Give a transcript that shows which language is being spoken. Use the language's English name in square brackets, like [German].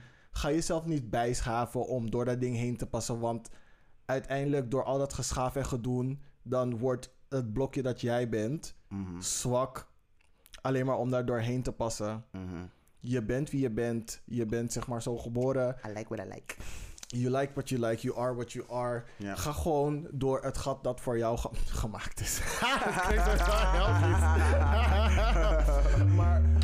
[Dutch] Ga jezelf niet bijschaven om door dat ding heen te passen, want uiteindelijk door al dat geschaaf en gedoen, dan wordt het blokje dat jij bent zwak, alleen maar om daar doorheen te passen. Je bent wie je bent zeg maar zo geboren. [English] I like what I like. You like what you like, you are what you are. [Dutch] Ga gewoon door het gat dat voor jou gemaakt is. Ik weet het wel heel goed. Maar.